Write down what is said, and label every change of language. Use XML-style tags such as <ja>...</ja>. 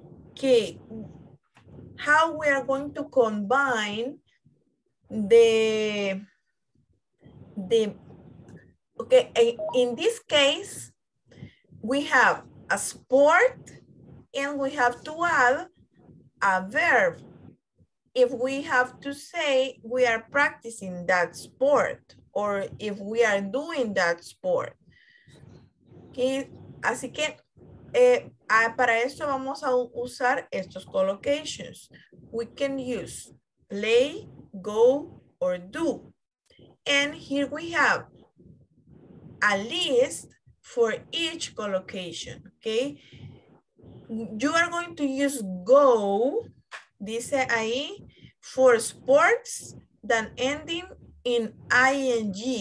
<en>Okay, how we are going to combine okay, in this case, we have a sport and we have to add a verb. If we have to say we are practicing that sport, or if we are doing that sport. Okay.</en> <es>Así que para esto vamos a usar estos collocations.</es> <en>We can use play, go, or do. And here we have a list for each collocation. Okay. You are going to use go,</en> <es>dice ahí,</es> <en>for sports that ending in ing.</en>